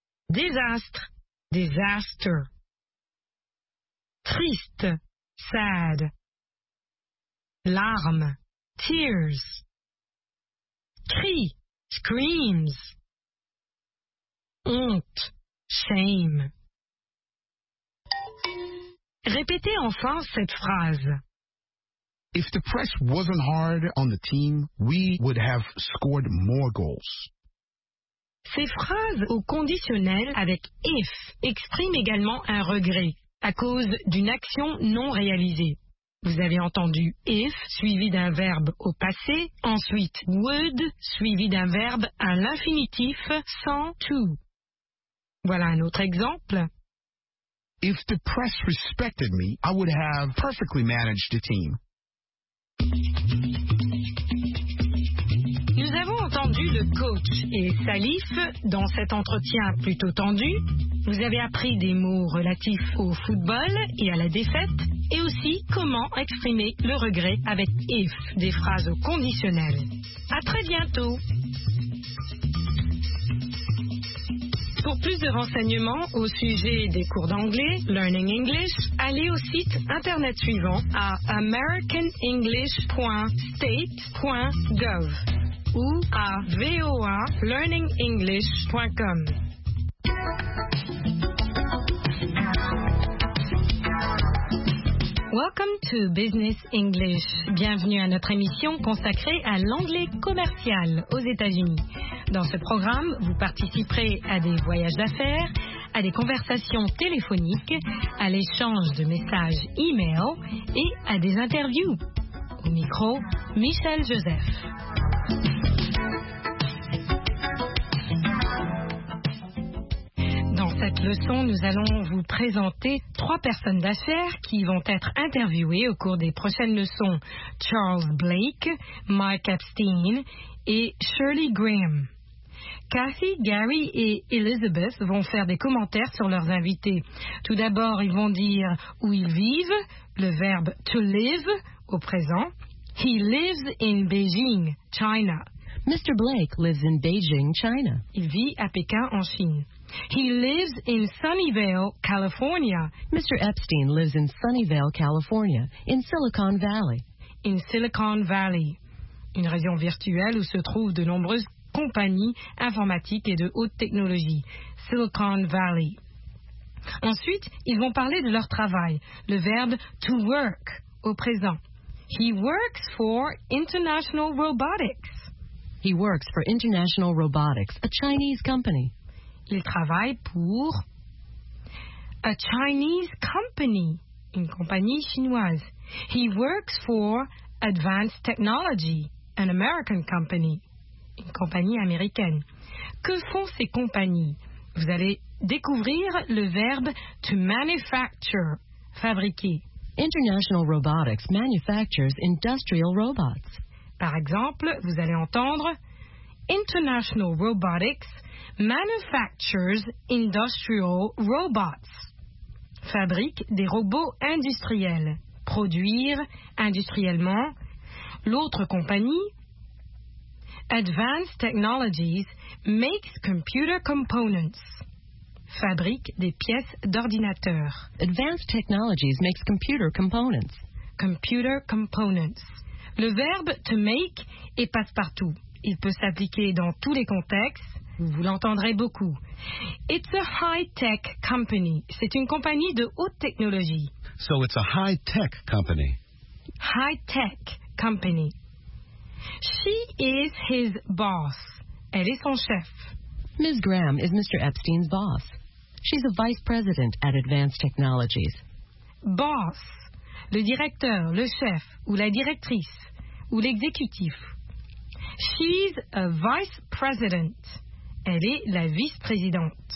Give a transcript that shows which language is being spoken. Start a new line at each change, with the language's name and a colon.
French: Désastre. Disaster. Triste. Sad. Larmes. Tears. Cri. Screams. On. Honte. Shame. Répétez enfin cette phrase.
English: If the press wasn't hard on the team, we would have scored more goals.
French: Ces phrases au conditionnel avec if expriment également un regret à cause d'une action non réalisée. Vous avez entendu if suivi d'un verbe au passé, ensuite would suivi d'un verbe à l'infinitif sans to. Voilà un autre exemple.
English: If the press respected me, I would have perfectly managed the team.
French: Nous avons entendu le coach et Salif dans cet entretien plutôt tendu. Vous avez appris des mots relatifs au football et à la défaite, et aussi comment exprimer le regret avec if, des phrases au conditionnel. À très bientôt. Pour plus de renseignements au sujet des cours d'anglais, Learning English, allez au site internet suivant à americanenglish.state.gov ou à voalearningenglish.com.
English: Welcome to Business English.
French: Bienvenue à notre émission consacrée à l'anglais commercial aux États-Unis. Dans ce programme, vous participerez à des voyages d'affaires, à des conversations téléphoniques, à l'échange de messages e-mail et à des interviews. Au micro, Michel Joseph. Cette leçon, nous allons vous présenter trois personnes d'affaires qui vont être interviewées au cours des prochaines leçons. Charles Blake, Mike Epstein et Shirley Graham. Kathy, Gary et Elizabeth vont faire des commentaires sur leurs invités. Tout d'abord, ils vont dire où ils vivent, le verbe to live au présent.
English: He lives in Beijing, China. Mr. Blake lives in Beijing, China.
French: Il vit à Pékin, en Chine.
English: He lives in Sunnyvale, California. Mr. Epstein lives in Sunnyvale, California, in Silicon Valley.
French: In Silicon Valley, une région virtuelle où se trouvent de nombreuses compagnies informatiques et de haute technologie. Silicon Valley. Ensuite, ils vont parler de leur travail, le verbe to work au présent.
English: He works for International Robotics. He works for International Robotics, a Chinese company.
French: Il travaille pour
English: a Chinese company,
French: une compagnie chinoise.
English: He works for Advanced Technology, an American company,
French: une compagnie américaine. Que font ces compagnies? Vous allez découvrir le verbe to manufacture, fabriquer.
English: International Robotics manufactures industrial robots.
French: Par exemple, vous allez entendre
English: International Robotics manufactures industrial robots.
French: Fabrique des robots industriels. Produire industriellement. L'autre compagnie, Advanced Technologies
English: makes computer components.
French: Fabrique des pièces d'ordinateur.
English: Advanced Technologies makes computer components. Computer components.
French: Le verbe to make est passe-partout. Il peut s'appliquer dans tous les contextes. Vous l'entendrez beaucoup.
English: It's a high-tech company.
French: C'est une compagnie de haute technologie.
English: So it's a high-tech company. High-tech company. She is his boss.
French: Elle est son chef.
English: Ms. Graham is Mr. Epstein's boss. She's a vice president at Advanced Technologies. Boss.
French: Le directeur, le chef ou la directrice ou l'exécutif.
English: She's a vice president.
French: Elle est la vice-présidente.